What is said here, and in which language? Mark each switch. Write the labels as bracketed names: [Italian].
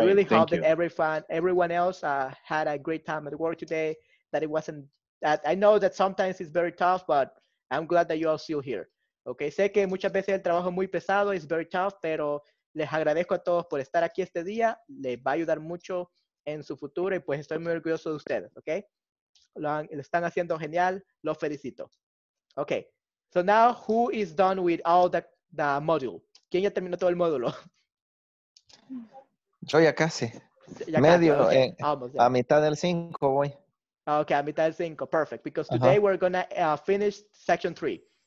[English] I really hope that everyone else had a great time at work today, that it wasn't, that I know that sometimes it's very tough, but I'm glad that you are still here. [Spanish] Okay, sé que muchas veces el trabajo es muy pesado, [English] it's very tough, [Spanish] pero les agradezco a todos por estar aquí este día, les va a ayudar mucho en su futuro, y pues estoy muy orgulloso de ustedes, okay? Lo están haciendo genial, los felicito. [English] Okay, so now who is done with all the module? [Spanish] ¿Quién ya terminó todo el módulo? Yo ya casi. Ya medio, casi, okay. [English] Almost, yeah. [Spanish] A mitad del cinco voy. Okay, a mitad del cinco, perfect. [English] Because today uh-huh. We're going to finish section 3.